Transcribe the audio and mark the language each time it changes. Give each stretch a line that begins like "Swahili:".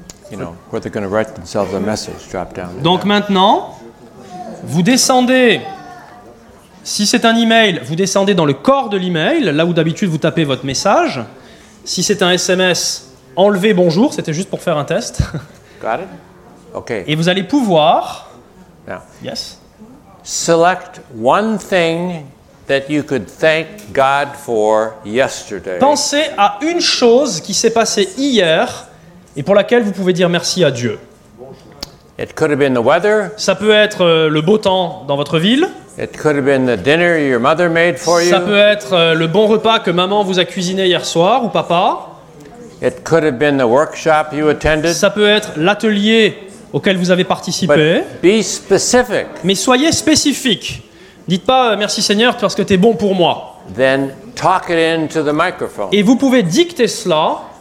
English: You know, where they're going to write themselves a message. Drop down.
French: Donc maintenant, vous descendez. Si c'est un email, vous descendez dans le corps de l'email, là où d'habitude vous tapez votre message. Si c'est un SMS, enlevez bonjour, c'était juste pour faire un test.
English: Got it? Okay.
French: Et vous allez pouvoir.
English: Now, yes. Select one thing that you could thank God for yesterday.
French: Pensez à une chose qui s'est passée hier et pour laquelle vous pouvez dire merci à Dieu.
English: It could have been the weather.
French: Ça peut être le beau temps dans votre ville.
English: It could have been the dinner your mother made for you.
French: Ça peut être le bon repas que maman vous a cuisiné hier soir ou papa.
English: It could have been the workshop you attended.
French: Ça peut être l'atelier auquel vous avez participé.
English: But be specific.
French: Mais soyez spécifique. Dites pas « Merci Seigneur parce que tu es bon pour moi ».
English: Then talk it into the microphone.
French: Et vous pouvez dicter cela.